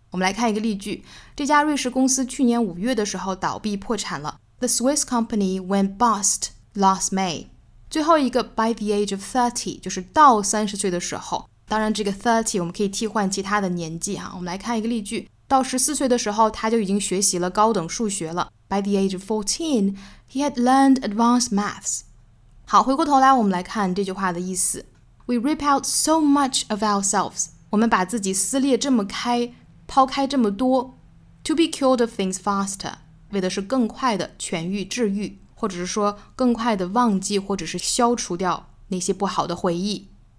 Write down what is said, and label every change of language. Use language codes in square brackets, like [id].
[zh] 我们来看一个例句，这家瑞士公司去年五月的时候倒闭破产了。 [en] The Swiss company went bust last May。 [zh] 最后一个 by the age of 30 就是到30岁的时候，当然这个30我们可以替换其他的年纪啊。我们来看一个例句，到14岁的时候他就已经学习了高等数学了。 [en] by the age of 14 he had learned advanced maths。 [zh] 好，回过头来我们来看这句话的意思。 [en] We rip out so much of ourselves， [zh] 我们把自己撕裂这么开，抛开这么多， [en] to be cured of things faster， [zh] 为的是更快的痊愈治愈，或者是说更快的忘记或者是消除掉那些不好的回忆。